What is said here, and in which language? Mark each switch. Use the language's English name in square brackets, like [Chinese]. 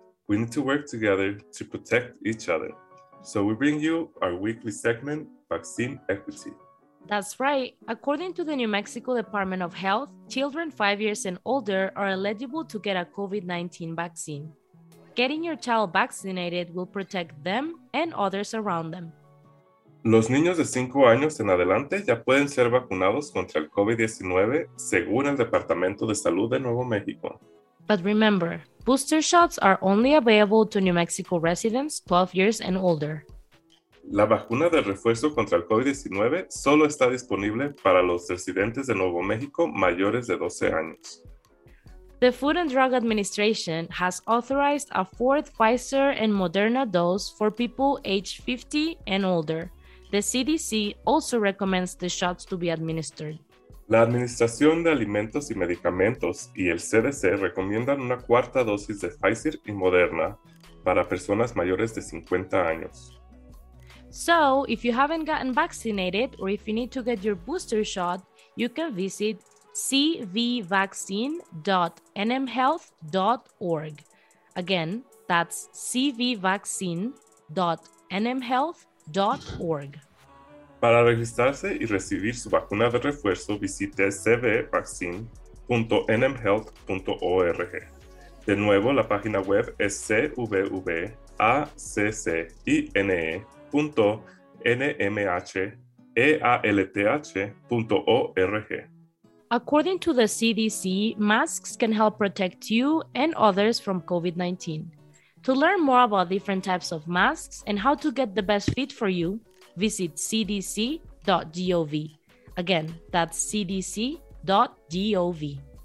[English] We need to work together to protect each other. So we bring you our weekly segment, Vaccine Equity. That's right. According to the New Mexico Department of Health, children 5 years and older are eligible to get a COVID-19 vaccine. Getting your child vaccinated will protect them and others around them. [Spanish] Los niños de 5 años en adelante ya pueden ser vacunados contra el COVID-19, según el Departamento de Salud de Nuevo México. [English] But remember, booster shots are only available to New Mexico residents 12 years and older. [Spanish] La vacuna de refuerzo contra el COVID-19 solo está disponible para los residentes de Nuevo México mayores de 12 años. [English] The Food and Drug Administration has authorized a fourth Pfizer and Moderna dose for people aged 50 and older. The CDC also recommends the shots to be administered. [Spanish] La Administración de Alimentos y Medicamentos y el CDC recomiendan una cuarta dosis de Pfizer y Moderna para personas mayores de 50 años. [English] So, if you haven't gotten vaccinated or if you need to get your booster shot, you can visit cvvaccine.nmhealth.org. Again, that's cvvaccine.nmhealth.org. www.nmhealth.org. [Spanish] Para registrarse y recibir su vacuna de refuerzo, visite cvvaccine.nmhealth.org. De nuevo, la página web es cvvaccine.nmhealth.org. [English] According to the CDC, masks can help protect you and others from COVID-19. To learn more about different types of masks and how to get the best fit for you, visit cdc.gov. Again, that's cdc.gov.